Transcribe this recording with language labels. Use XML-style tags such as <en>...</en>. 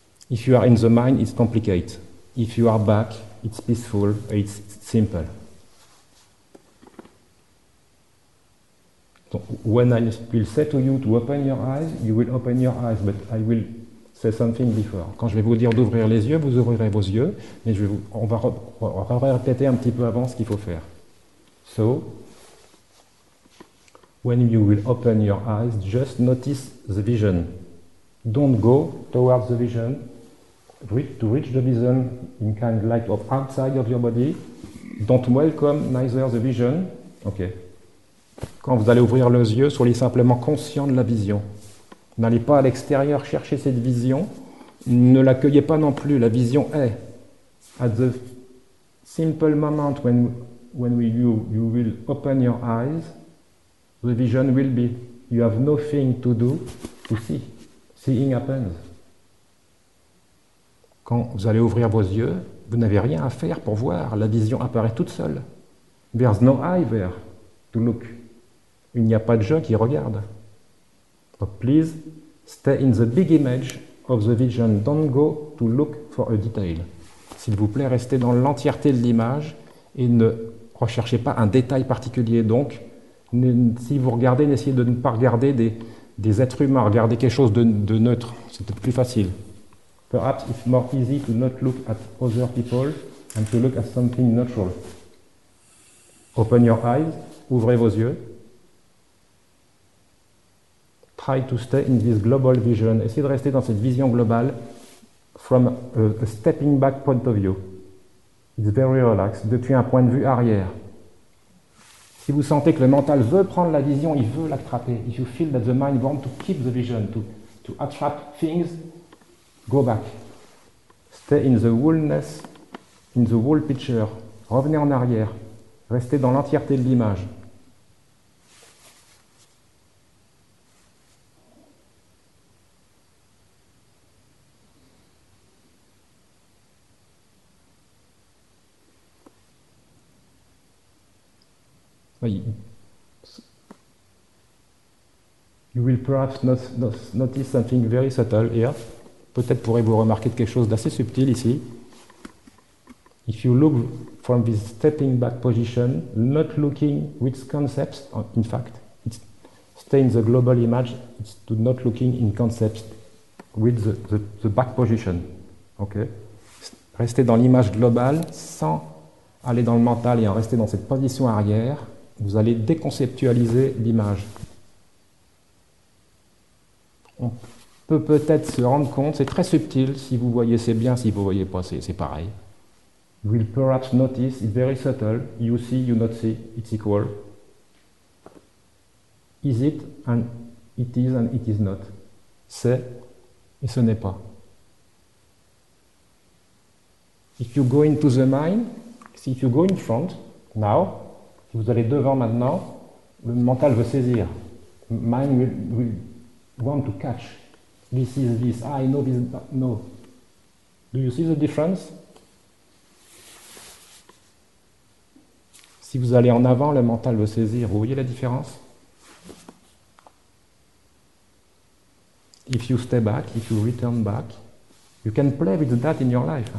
<en>If you are in the mind, it's complicated. If you are back, it's peaceful, it's simple. So when I will say to you to open your eyes, you will open your eyes, but I will say something before.</en> <fr>Quand je vais vous dire d'ouvrir les yeux, vous ouvrirez vos yeux, mais on va répéter un petit peu avant ce qu'il faut faire.</fr> <en>So, when you will open your eyes, just notice the vision. Don't go towards the vision. To reach the vision in kind of light of outside of your body. Don't welcome neither the vision. Okay.</en> <fr>Quand vous allez ouvrir les yeux, soyez simplement conscient de la vision. N'allez pas à l'extérieur chercher cette vision. Ne l'accueillez pas non plus. La vision est.</fr> <en>At the simple moment when you will open your eyes, the vision will be. You have nothing to do to see. Seeing happens.</en> <fr>Quand vous allez ouvrir vos yeux, vous n'avez rien à faire pour voir. La vision apparaît toute seule.</fr> <en>There's no eye there to look.</en> <fr>Il n'y a pas de je qui regarde.</fr> <en>But please, stay in the big image of the vision. Don't go to look for a detail.</en> <fr>S'il vous plaît, restez dans l'entièreté de l'image et ne recherchez pas un détail particulier. Donc, si vous regardez, n'essayez de ne pas regarder des êtres humains, regardez quelque chose de neutre, c'est peut-être plus facile.</fr> <en>Perhaps it's more easy to not look at other people and to look at something neutral. Open your eyes,</en> <fr>ouvrez vos yeux.</fr> <en>Try to stay in this global vision.</en> <fr>Essayez de rester dans cette vision globale</fr> <en>from a stepping back point of view. It's very relaxed,</en> <fr>depuis un point de vue arrière. Si vous sentez que le mental veut prendre la vision, il veut l'attraper.</fr> <en>If you feel that the mind wants to keep the vision, to attract things, go back. Stay in the wholeness, in the whole picture.</en> <fr>Revenez en arrière. Restez dans l'entièreté de l'image.</fr> <en>You will perhaps notice something very subtle here.</en> <fr>Peut-être pourrez-vous remarquer quelque chose d'assez subtil ici.</fr> <en>If you look from this stepping back position, not looking with concepts, in fact, it's stay in the global image, it's not looking in concepts with the back position. Okay?</en> <fr>Restez dans l'image globale sans aller dans le mental et en rester dans cette position arrière. Vous allez déconceptualiser l'image. On peut peut-être se rendre compte, c'est très subtil, si vous voyez c'est bien, si vous voyez pas c'est pareil.</fr> <en>You will perhaps notice, it's very subtle, you see, you not see, it's equal. Is it, and it is not.</en> <fr>C'est, et ce n'est pas.</fr> <en>If you go into the mind, if you go in front, now,</en> <fr>si vous allez devant maintenant, le mental veut saisir.</fr> <en>Mind will want to catch. This is this. I know this. No. Do you see the difference?</en> <fr>Si vous allez en avant, le mental veut saisir. Vous voyez la différence?</fr> <en>If you stay back, if you return back, you can play with that in your life.</en>